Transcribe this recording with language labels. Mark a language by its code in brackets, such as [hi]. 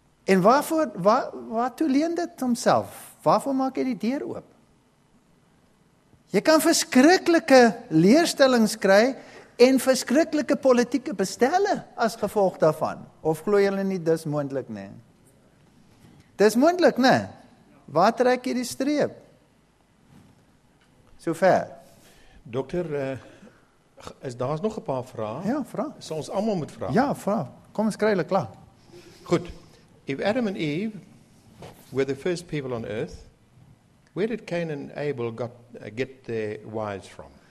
[af] En waarvoor waartoe leen dit homself? Waarvoor maak jy die deur oop? Jy kan verskriklike leerstellings kry en verskriklike politieke bestelle as gevolg daarvan. Of glo jy nie dis moontlik nie? Dis moontlik, né? Waar trek jy die streep? So ver. Dokter, is daar nog 'n paar vrae? Ja, vra. Sal ons almal moet vra? Ja, vra. Kom ons kry hulle klaar. Goed. [en] If Adam and Eve were the first people on earth, where did Cain and Abel get their wives from?